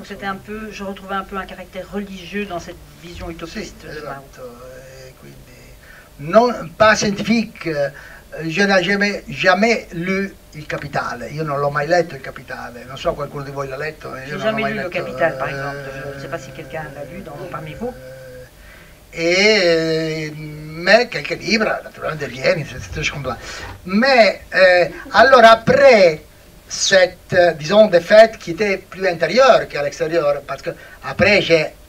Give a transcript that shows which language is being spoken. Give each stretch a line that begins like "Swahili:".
French: C'était un peu, je retrouvais un peu un caractère religieux dans cette vision utopiste.
Italian: Sì, esatto.
French: Non, pas scientifique, je n'ai jamais lu Il Capitale,
Italian: io non l'ho mai letto Il Capitale, non so qualcuno di voi l'ha letto.
French: Je n'ai jamais lu Il Capitale, par exemple, je ne sais pas si quelqu'un l'a lu parmi vous. Mais quelques livres,
Italian: naturalmente, degli anni,
French: c'était
Italian: secondo me.
French: Mais,
Italian: allora,
French: après cette, disons, défaite qui était plus intérieure qu'à l'extérieur, parce que après j'ai...